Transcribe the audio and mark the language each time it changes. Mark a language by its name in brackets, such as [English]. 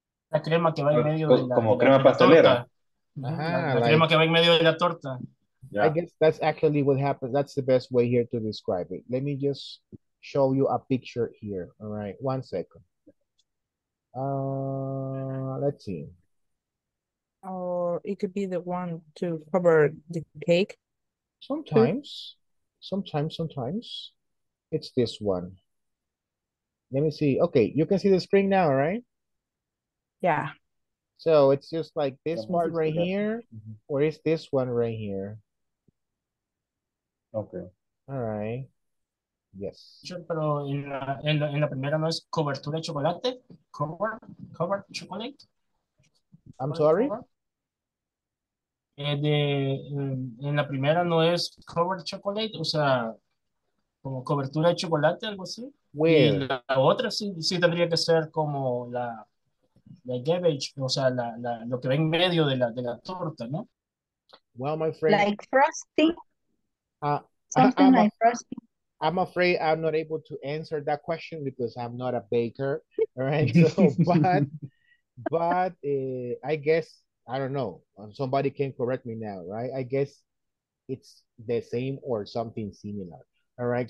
[Spanish] La crema que va en medio de la como crema pastelera. La crema que va en medio de la torta. [English] Yeah. I guess that's actually what happens. That's the best way here to describe it. Let me just show you a picture here. All right, one second. Let's see. Or it could be the one to cover the cake. Sometimes, sometimes it's this one. Let me see. Okay, you can see the screen now, right? Yeah. So it's just like this part right here, mm-hmm. or it's this one right here. Okay. All right. Yes. [Spanish] Pero en la primera no es cobertura de chocolate. [English] Cover chocolate. I'm sorry. [Spanish] En la primera no es [English] cover chocolate, [Spanish] o sea, como cobertura de chocolate, algo así. [English] Where? [Spanish] Y la otra sí tendría que ser como la garbage, o sea, la lo que va en medio de la torta, ¿no? [English] Well, my friend. Like frosting. I'm afraid I'm not able to answer that question because I'm not a baker, right? So, but I guess, I don't know, somebody can correct me now, right? I guess it's the same or something similar, all right?